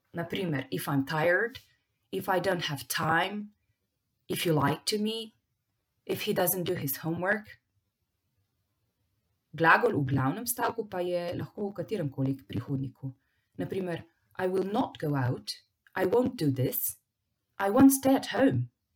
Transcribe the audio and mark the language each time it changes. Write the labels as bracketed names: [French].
[Slovenian] Naprimer, [English] if I'm tired, if I don't have time, if you lie to me, if he doesn't do his homework. [Slovenian] Glagol v glavnem stavku pa je lahko v kateremkoli prihodniku. Naprimer, [English] I will not go out, I won't do this, I won't stay at home.